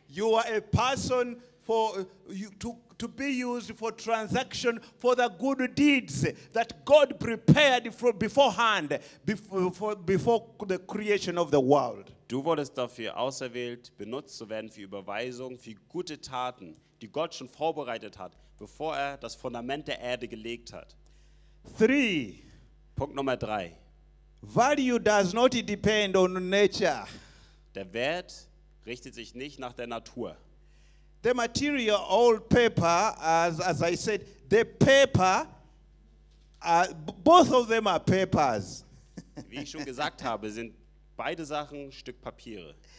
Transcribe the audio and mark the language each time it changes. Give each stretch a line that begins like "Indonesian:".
English: You are a person for you to be used for transaction for the good deeds that God prepared for beforehand before the creation of the world.
German: Du wurdest dafür auserwählt, benutzt zu werden für Überweisungen, für gute Taten, die Gott schon vorbereitet hat, bevor er das Fundament der Erde gelegt hat.
English: Three.
German: Punkt Nummer drei.
English: Value does not depend on nature.
German: Der Wert richtet sich nicht nach der Natur.
English: The material, old paper, as I said, the paper, both of them are papers.
German: Wie ich schon gesagt habe, sind beide Sachen Stück Papiere.